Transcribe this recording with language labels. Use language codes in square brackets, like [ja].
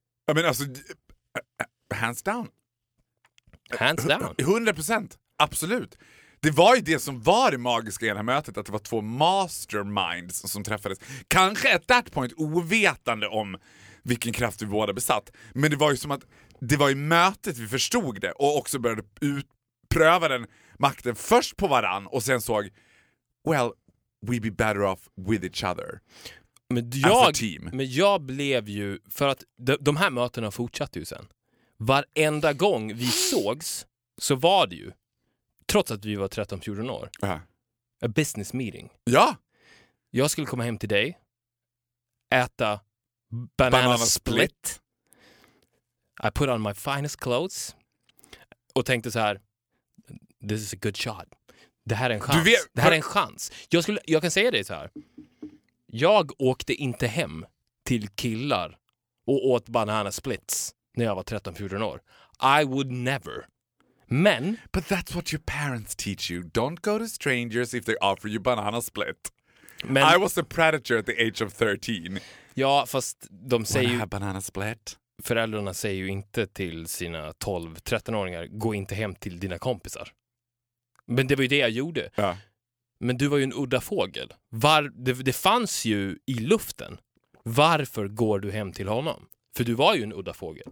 [en] I mean, alltså, hands down. Hands down. [sv] 100%, absolut. Det var ju det som var det magiska i det här mötet, att det var två masterminds som träffades. Kanske [en] at that point [sv] ovetande om vilken kraft vi båda besatt. Men det var ju som att det var i mötet vi förstod det och också började utpröva den makten först på varann och sen såg, [en] well, we'd be better off with each other. [sv] Men jag, [en] as a team. [sv] Men jag blev ju, för att de här mötena fortsatte ju sen. Varenda gång vi sågs så var det ju, trots att vi var 13-14 år, [en] a business meeting. [sv] Ja! Jag skulle komma hem till dig, äta banana split. [en] I put on my finest clothes [sv] och tänkte så här, [en] this is a good shot. [sv] Det här är en chans. Det här är en chans. Jag kan säga det så här. Jag åkte inte hem till killar och åt banana splits när jag var 13-14 år. [en] I would never. Men, but that's what your parents teach you. Don't go to strangers if they offer you banana split. Men, I was a predator at the age of 13. [sv] Ja, fast de säger ju, [en] wanna have banana split? [sv] Föräldrarna säger ju inte till sina 12-13-åringar, gå inte hem till dina kompisar. Men det var ju det jag gjorde. Ja. Men du var ju en udda fågel. Det fanns ju i luften. Varför går du hem till honom? För du var ju en udda fågel.